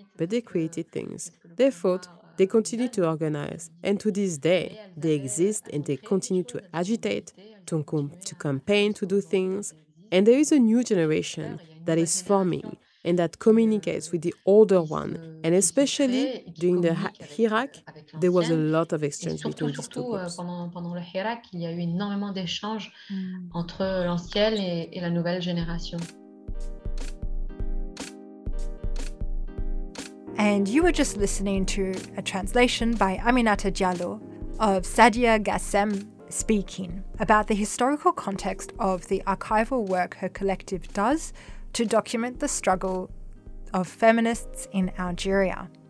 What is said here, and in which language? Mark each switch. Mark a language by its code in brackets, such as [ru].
[en] But they created things. They fought, they continued to organize, and to this day, they exist and they continue to agitate, to campaign, to do things. And there is a new generation that is forming and that communicates with the older one. And especially during the Hirak, there was a lot of exchange between these two groups. [fr] Pendant le Hirak, il y a eu énormément d'échanges entre l'ancienne et la nouvelle génération. [en] And you were just listening to a translation by Aminata Diallo of Sadia Gassem speaking about the historical context of the archival work her collective does to document the struggle of feminists in Algeria.